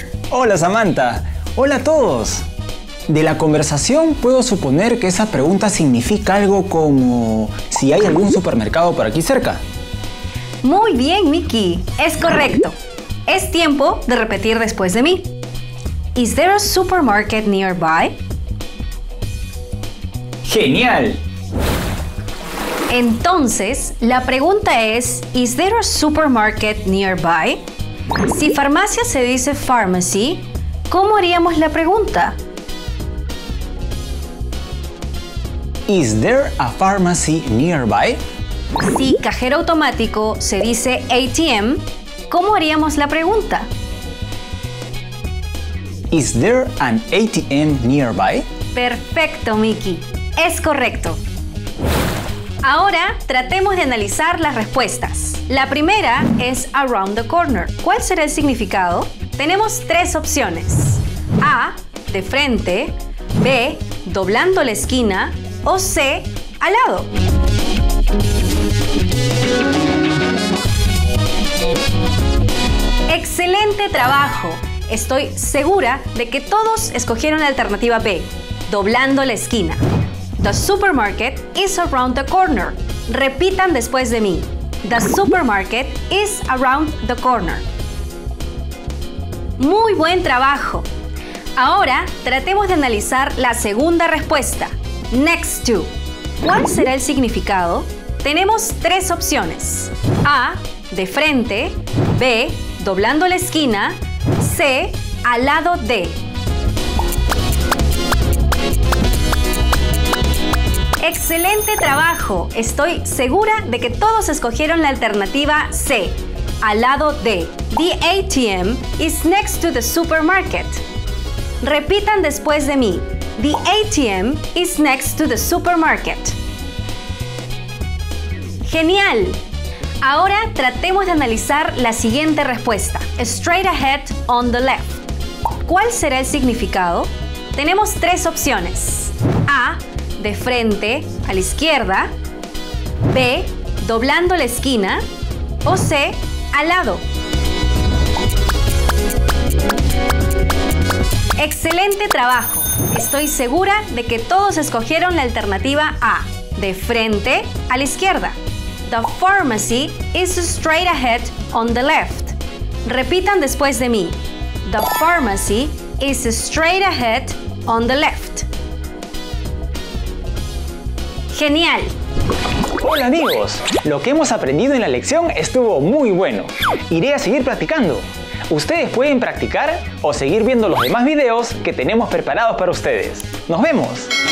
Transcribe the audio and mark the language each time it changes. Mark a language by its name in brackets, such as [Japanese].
[Spanish] ¡Hola, Samantha! ¡Hola a todos! De la conversación puedo suponer que esa pregunta significa algo como si hay algún supermercado por aquí cerca. Muy bien, Mickey. Es correcto. Es tiempo de repetir después de mí. [English] Is there a supermarket nearby? [Spanish] ¡Genial! Entonces, la pregunta es, [English] ¿Is there a supermarket nearby? [Spanish] Si farmacia se dice pharmacy, ¿cómo haríamos la pregunta? [English] Is there a pharmacy nearby? [Spanish] Si cajero automático se dice ATM, ¿cómo haríamos la pregunta? [English] Is there an ATM nearby? [Spanish] Perfecto, Mickey. Es correcto. Ahora, tratemos de analizar las respuestas. La primera es [English] around the corner. [Spanish] ¿Cuál será el significado? Tenemos tres opciones. A, de frente. B, doblando la esquina. O C, al lado. ¡Excelente trabajo! Estoy segura de que todos escogieron la alternativa B, doblando la esquina. [English] The supermarket is around the corner. [Spanish] Repitan después de mí. [English] The supermarket is around the corner. [Spanish] ¡Muy buen trabajo! Ahora, tratemos de analizar la segunda respuesta. [English] Next to. [Spanish] ¿Cuál será el significado? Tenemos tres opciones. A, de frente. B, doblando la esquina. C, al lado de. ¡Excelente trabajo! Estoy segura de que todos escogieron la alternativa C, al lado de. [English] The ATM is next to the supermarket. [Spanish] Repitan después de mí. [English] The ATM is next to the supermarket. [Spanish] ¡Genial! Ahora tratemos de analizar la siguiente respuesta. [English] Straight ahead on the left. [Spanish] ¿Cuál será el significado? Tenemos tres opciones. A, de frente, a la izquierda. B, doblando la esquina. O C, al lado. ¡Excelente trabajo! Estoy segura de que todos escogieron la alternativa A, de frente a la izquierda. [English] The pharmacy is straight ahead on the left. [Spanish] Repitan después de mí. [English] The pharmacy is straight ahead on the left. [Spanish] ¡Genial! ¡Hola amigos! Lo que hemos aprendido en la lección estuvo muy bueno. Iré a seguir practicando. Ustedes pueden practicar o seguir viendo los demás videos que tenemos preparados para ustedes. ¡Nos vemos!